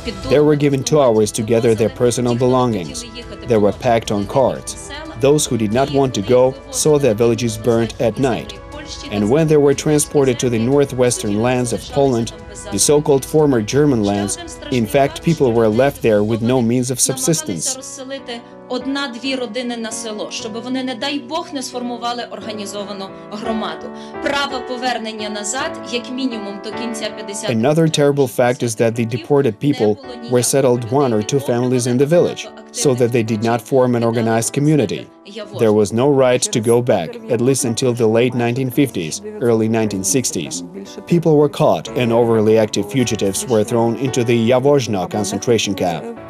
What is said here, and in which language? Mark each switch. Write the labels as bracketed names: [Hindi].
[English] They were given 2 hours to gather their personal belongings. They were packed on carts. Those who did not want to go saw their villages burnt at night. And when they were transported to the northwestern lands of Poland, the so-called former German lands, in fact, people were left there with no means of subsistence. [Ukrainian] Одна-дві родини на село, щоб вони, не дай Бог, не сформували організовану громаду. Право повернення назад, як мінімум, до кінця 50. [English] Another terrible fact is that the deported people were settled one or two families in the village, so that they did not form an organized community. There was no right to go back, at least until the late 1950s, early 1960s. People were caught and overly active fugitives were thrown into the Jaworzno concentration camp.